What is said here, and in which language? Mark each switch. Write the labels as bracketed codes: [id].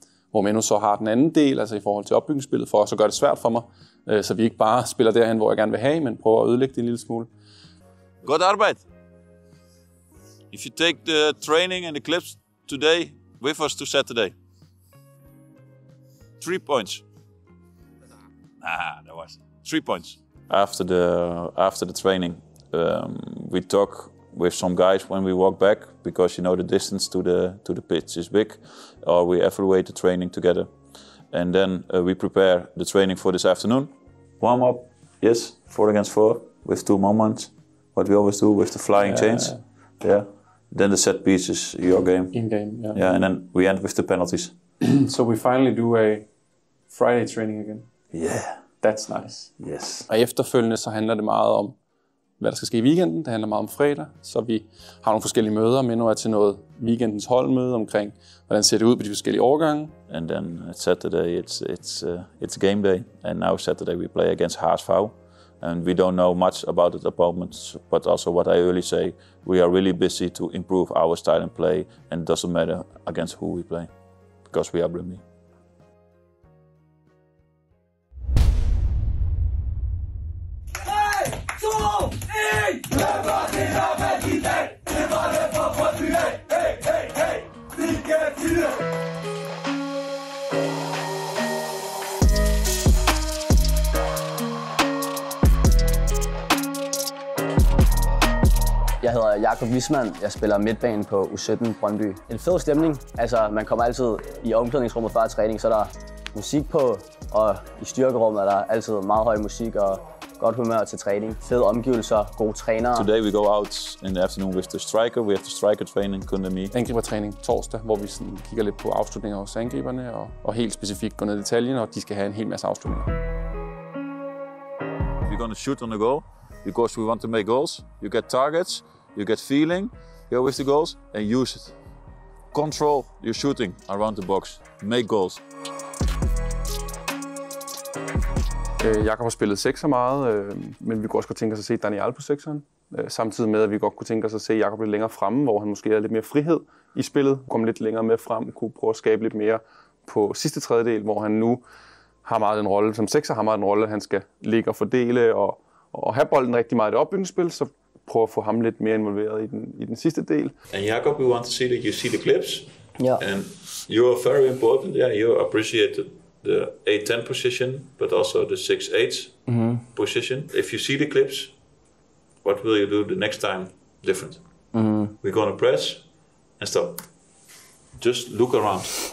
[da] Hvor man nu så har den anden del, altså i forhold til opbygningsspillet, for at så gøre det svært for mig. Så vi ikke bare spiller derhen, hvor jeg gerne vil have, men prøver at ødelægge det en lille smule. Godt arbejde! [en] If you take the training and the clips today with us to Saturday. 3 points. Ah, that was 3 points. After the training, we talk with some guys when we walk back because you know the distance to the pitch is big, or we evaluate the training together, and then we prepare the training for this afternoon. Warm up, yes, 4 against 4 with 2 moments, what we always do with the flying chains. Yeah. Then the set piece is your game. In game, yeah. Yeah, and then we end with the penalties. So we finally do a Friday training again. Yeah. That's nice. Yes. [da] Og efterfølgende så handler det meget om, hvad der skal ske i weekenden. Det handler meget om fredag, så vi har nogle forskellige møder, men nu er til noget weekendens holdmøde omkring, hvordan ser det ud på de forskellige årgange. [en] And then Saturday it's game day, and now Saturday we play against HSV, and we don't know much about the opponent, but also what I really say, we are really busy to improve our style and play, and it doesn't matter against who we play, because we are Brøndby. [da] Jeg hedder Jakob Wismann. Jeg spiller midtbanen på U17 Brøndby. En fed stemning. Altså, man kommer altid i omklædningsrummet før træning, så er der musik på, og i styrkerummet er der altid meget høj musik og godt humør til træning. Fede omgivelser, gode trænere. [en] Today we go out in the afternoon with the striker. We have the striker training, Kunde Mi. [da] Angribertræning torsdag, hvor vi sådan kigger lidt på afslutninger hos angriberne og helt specifikt går ned i detaljen, og de skal have en hel masse afslutninger. [en] We're gonna shoot on the goal. Because we want to make goals, you get targets, you get feeling, go with the goals, and use it. control your shooting around the box. Make goals. [da] Jakob har spillet sekser meget, men vi kunne også godt tænke os at se Daniel på sekseren. Samtidig med, at vi godt kunne tænke os at se Jakob lidt længere fremme, hvor han måske havde lidt mere frihed i spillet. Kom lidt længere med frem, kunne prøve at skabe lidt mere på sidste tredjedel, hvor han nu har meget en rolle, som sekser har meget en rolle, at han skal ligge og fordele og have bolden rigtig meget i det opbygningsspil, så prøve at få ham lidt mere involveret i den sidste del. [en] And Jakob, we want to see that you see the clips. Yeah. And you are very important. Yeah, you appreciate the 8-10 position, but also the 6-8 mm-hmm. position. If you see the clips, what will you do the next time different? Mm-hmm. We're going to press and stop. Just look around.